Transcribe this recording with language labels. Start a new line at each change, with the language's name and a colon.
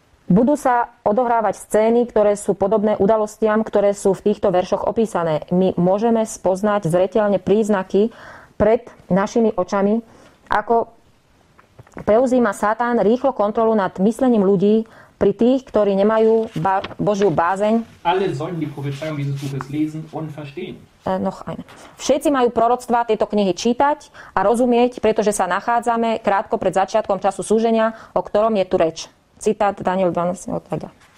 Slovak: Budú sa odohrávať scény, ktoré sú podobné udalostiam, ktoré sú v týchto veršoch opísané. My môžeme spoznať zreteľne príznaky pred našimi očami, ako preuzíma Satan rýchlo kontrolu nad myslením ľudí pri tých, ktorí nemajú Božiu bázeň.
German: Alle sollen die Prophezeiung dieses Buches lesen und verstehen. Noch eine.
Slovak: Všetci majú proroctvá tejto knihy čítať a rozumieť, pretože sa nachádzame krátko pred začiatkom času súženia, o ktorom je tu reč. citát Daniel 12. Otáda.